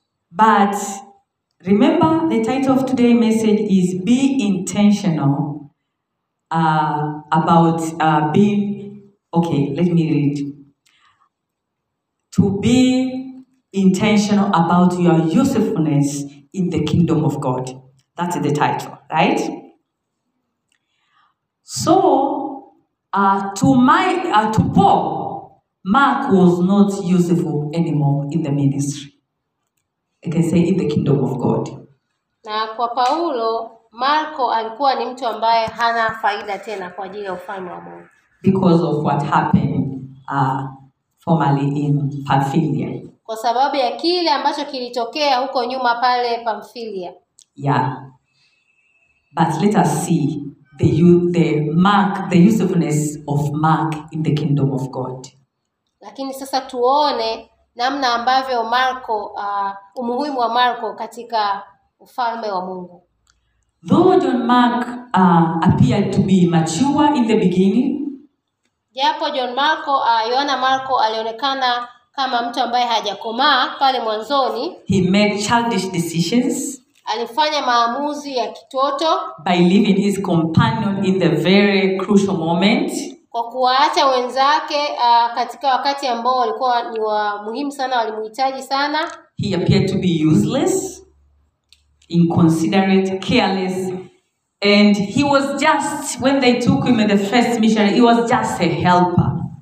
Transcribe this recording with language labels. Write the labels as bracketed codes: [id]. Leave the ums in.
[en] But remember the title of today's message is be intentional uh, about uh, being okay, let me read to be intentional about your usefulness in the kingdom of God. That is the title, right? So, uh, to my uh, to Paul, Mark was not useful anymore in the ministry. I can say in the kingdom of God. [sw] Now, kwa Paulo, Marco alikuwa ni mtu ambaye hana faida tena kwa ajili ya ufalme wa [en] Because of what happened uh, formerly in Pamphylia. [sw] Kwa sababu ya kile ambacho kilitokea huko nyuma pale Pamphylia. Yeah. [en] But let us see the the mark the usefulness of Mark in the kingdom of God. [sw] Lakini sasa tuone namna ambavyo Marko uh, umuhimu wa Marko katika ufalme wa Mungu. [en] Though John Mark uh, appeared to be mature in the beginning [sw] japo John Marco uh, Yohana Marco alionekana kama mtu ambaye hajakomaa pale mwanzoni. [en] He made childish decisions. [sw] Alifanya maamuzi ya kitoto. [en] By leaving his companion in the very crucial moment. [sw] Kwa kuwaacha wenzake uh, katika wakati ambao walikuwa ni wa muhimu sana, walimhitaji sana. [en] He appeared to be useless, inconsiderate, careless And he was just, when they took him in the first mission, he was just a helper.